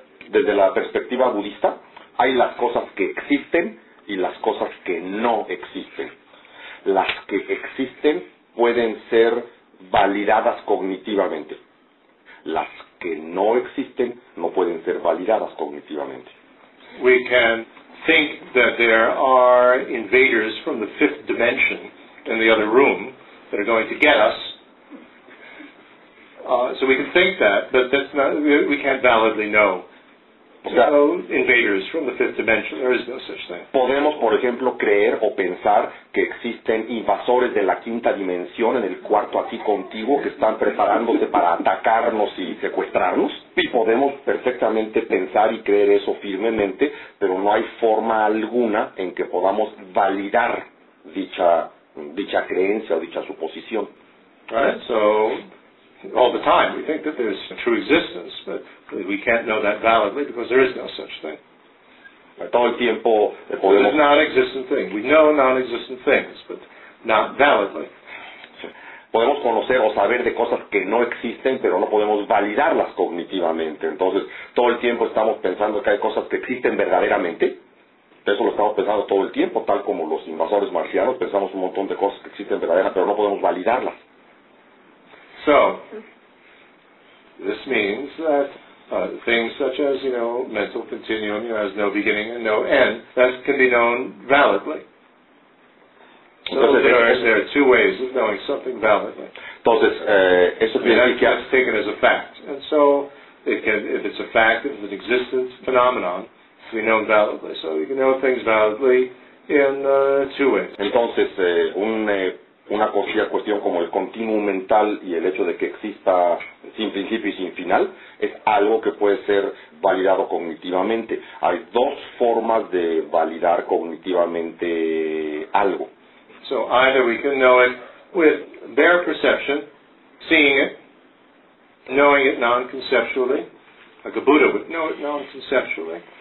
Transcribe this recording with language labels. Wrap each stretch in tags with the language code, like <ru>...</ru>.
<es>Desde la perspectiva budista, hay las cosas que existen y las cosas que no existen. Las que existen pueden ser validadas cognitivamente. Las que no existen no pueden ser validadas cognitivamente.</es> <en>We can think that there are invaders from the fifth dimension in the other room that are going to get us. So we can think that, but that's not, we can't validly know. invaders from the fifth dimension. There is no such thing.</en> <es>Podemos, por ejemplo, creer o pensar que existen invasores de la quinta dimensión en el cuarto aquí contigo que están preparándose para atacarnos y secuestrarnos. Y podemos perfectamente pensar y creer eso firmemente, pero no hay forma alguna en que podamos validar dicha creencia o dicha suposición.</es> <en>Right, so all the time we think that there's a true existence, but we can't know that validly because there is no such thing.</en> <es>Todo el tiempo podemos...</es> <en>There's a non-existent thing. We know non-existent things, but not validly.</en> <es>Podemos conocer o saber de cosas que no existen, pero no podemos validarlas cognitivamente. Entonces, todo el tiempo estamos pensando que hay cosas que existen verdaderamente. Eso lo estamos pensando todo el tiempo, tal como los invasores marcianos. Pensamos un montón de cosas que existen verdaderas, pero no podemos validarlas.</es> <en>So, this means that things such as, you know, mental continuum, you know, has no beginning and no end, that can be known validly. So there are two ways of knowing something validly.</en> <es>Entonces, eso significa...</es> <en>I mean, that's taken as a fact. And so, if it's a fact, if it's an existence phenomenon, we know validly. So you can know things validly in two ways.</en> <es>Entonces, una cuestión como el continuum mental y el hecho de que exista sin principio y sin final es algo que puede ser validado cognitivamente. Hay dos formas de validar cognitivamente algo.</es> <en>So either we can know it with bare perception, seeing it, knowing it non-conceptually, like a Buddha would know it non-conceptually.</en>